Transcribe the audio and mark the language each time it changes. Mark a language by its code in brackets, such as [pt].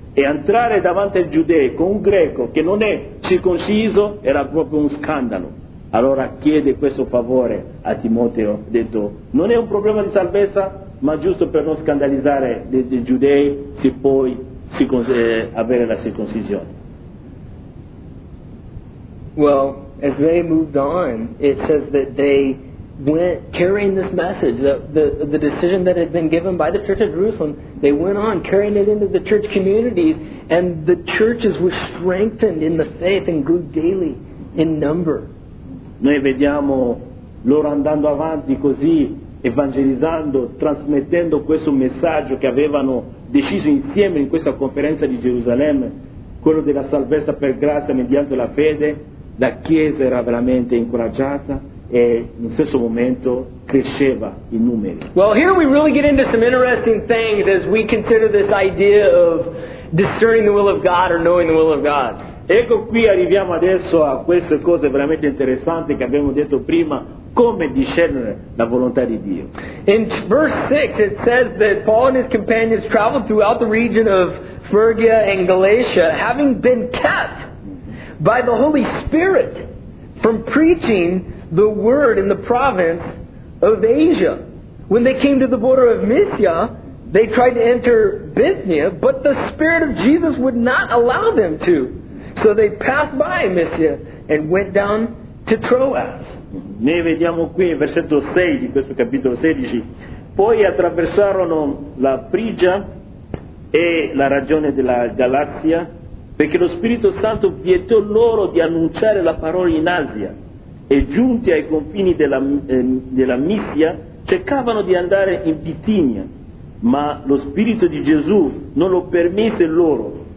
[it] E entrare davanti ai giudei con un greco che non è circonciso era proprio un scandalo. Allora chiede questo favore a Timoteo, ha detto, non è un problema di salvezza, ma giusto per non scandalizzare i giudei si può avere la circoncisione. [en] Well, as they moved on, it says that they went carrying this message, the decision that had been given by the Church of Jerusalem, they went on carrying it into the church communities, and the churches were strengthened in the faith and grew daily in number. [it] Noi vediamo loro andando avanti così, evangelizzando, trasmettendo questo messaggio che avevano deciso insieme in questa conferenza di Gerusalemme, quello della salvezza per grazia mediante la fede. La chiesa era veramente incoraggiata e in stesso momento cresceva in numeri. [en] Well, here we really get into some interesting things as we consider this idea of discerning the will of God or knowing the will of God. [it] Ecco qui arriviamo adesso a queste cose veramente interessanti che abbiamo detto prima, come discernere la volontà di Dio. [en] In verse 6 it says that Paul and his companions traveled throughout the region of Phrygia and Galatia, having been kept by the Holy Spirit from preaching the word in the province of Asia. When they came to the border of Mysia, they tried to enter Bithynia, but the Spirit of Jesus would not allow them to. So they passed by Mysia and went down to Troas. [it] Noi vediamo qui in versetto 6 di questo capitolo 16. Poi attraversarono la Frigia e la regione della Galazia, perché lo Spirito Santo vietò loro di annunciare la parola in Asia. E giunti ai confini della Misia, cercavano di andare in Bitinia, ma lo Spirito di Gesù non lo permise loro.